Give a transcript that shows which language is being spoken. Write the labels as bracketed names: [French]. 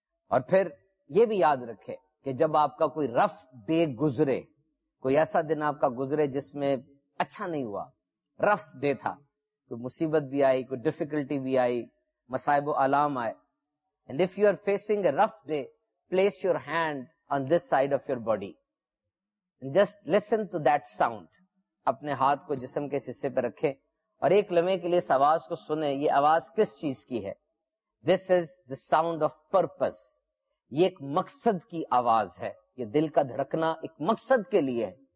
[Urdu] اور پھر یہ بھی یاد رکھے کہ جب آپ کا کوئی رف ڈے گزرے، کوئی ایسا دن آپ کا گزرے جس میں اچھا نہیں ہوا، رف ڈے تھا، کوئی مصیبت بھی آئی، کوئی ڈیفیکلٹی بھی آئی، مصائب و علام آئے، [English] And if you are facing a rough day, place your hand on this side of your body. And just listen to that sound. [Urdu] اپنے ہاتھ کو جسم کے حصے پہ رکھیں اور ایک لمحے کے لیے اس آواز کو سنیں. یہ آواز کس چیز کی ہے؟ [English] This is the sound of purpose. [Urdu] یہ ایک مقصد کی آواز ہے. یہ دل کا دھڑکنا ایک مقصد کے لیے ہے.